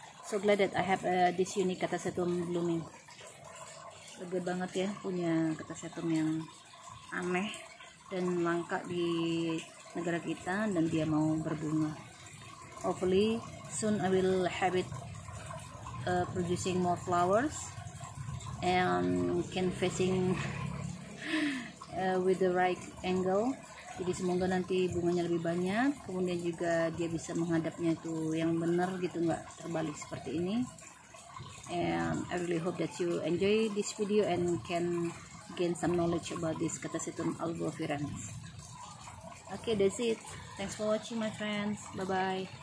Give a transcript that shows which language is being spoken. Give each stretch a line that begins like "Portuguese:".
English: So glad that I have this unique Catasetum blooming.
Indonesian: Bagus banget ya punya Catasetum yang aneh dan langka di negara kita, dan dia mau berbunga.
English: Hopefully soon I will have it producing more flowers and can facing with the right angle.
Indonesian: Jadi semoga nanti bunganya lebih banyak, kemudian juga dia bisa menghadapnya itu yang benar gitu, enggak terbalik seperti ini.
English: And I really hope that you enjoy this video and can gain some knowledge about this Catasetum albovirens. Okay, that's it. Thanks for watching, my friends. Bye bye.